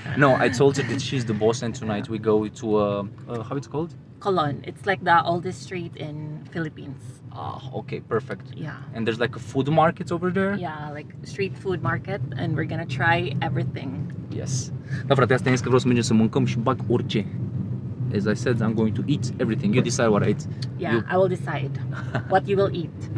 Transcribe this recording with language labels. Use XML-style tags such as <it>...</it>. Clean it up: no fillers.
<en>No, I told her that she's the boss and tonight we go to how it's called? Colon. It's like the oldest street in Philippines. Ah, okay, perfect. Yeah. And there's like a food market over there? Yeah, like street food market, and we're gonna try everything. Yes.</en> <ro>Da, frate, asta e că vreau să mergem să mâncăm și bag orice.</ro> <en>As I said, I'm going to eat everything. You decide what I eat. Yeah, I will decide what you will eat.</en>